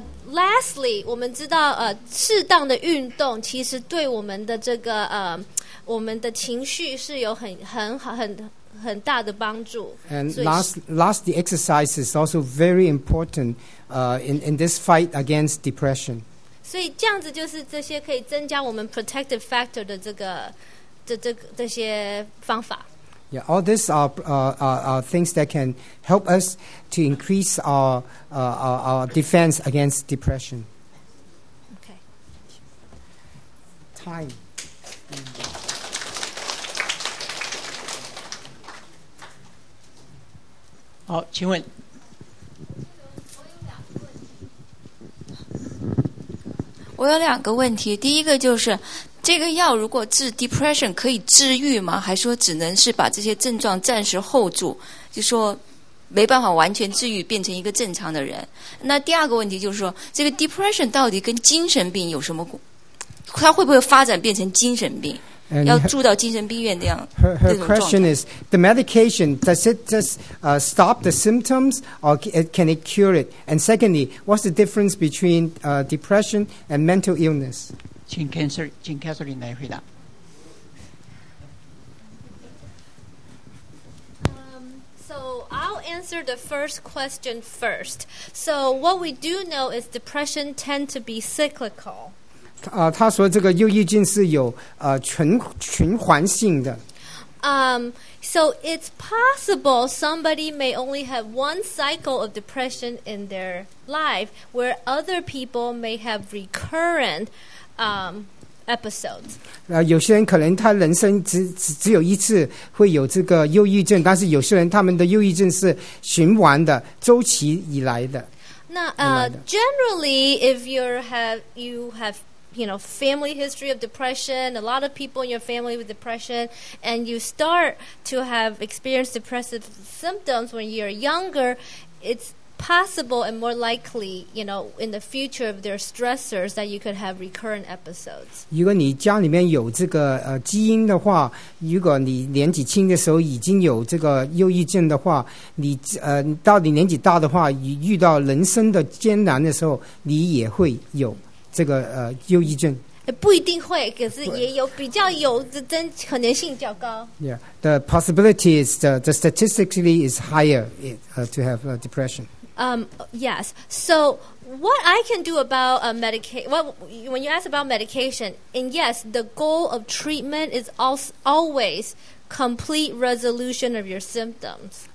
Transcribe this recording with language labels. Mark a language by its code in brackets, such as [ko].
[en] Lastly, [zh] 我们知道适当的运动其实对我们的这个我们的情绪是有很大的帮助。 [en] And lastly, exercise is also very important in this fight against depression. [zh] 所以这样子就是这些可以增加我们 [en] protective factor [zh] 的这些方法。 [en] Yeah, all these are things that can help us to increase our defense against depression. Okay. Time. [zh] Oh, 请问。我有两个问题，第一个就是。这个药如果治 depression 可以治愈吗？还说只能是把这些症状暂时 hold 住，就说没办法完全治愈，变成一个正常的人。那第二个问题就是说，这个 depression 到底跟精神病有什么？它会不会发展变成精神病？ [en] And、 [zh] 要住到精神病院那样？ [en] Her question is: the medication does it just stop the symptoms or can it cure it? And secondly, what's the difference between depression and mental illness? [zh] 请 Catherine 来回答。 [en] So I'll answer the first question first. So what we do know is depression tend to be cyclical. [zh] 他说这个忧郁症是有循环性的。 [en] So it's possible somebody may only have one cycle of depression in their life, where other people may have recurrent. Episodes. [zh] 有些人可能他人生只有一次会有这个忧郁症，但是有些人他们的忧郁症是循环的，周期以来的。那 [en] generally, if you have you know family history of depression, a lot of people in your family with depression, and you start to have experienced depressive symptoms when you're younger, it's. Possible and more likely, you know, in the future of their stressors that you could have recurrent episodes. [zh] 如果你家里面有这个基因的话，如果你年纪轻的时候已经有这个忧郁症的话，你到你年纪大的话，遇到人生的艰难的时候，你也会有这个忧郁症。不一定会，可是也有比较有的可能性比较高。 [en] Yeah, the possibility is the statistically is higher to have a depression. Yes. So what I can do about when you ask about medication, and yes, the goal of treatment is always complete resolution of your symptoms.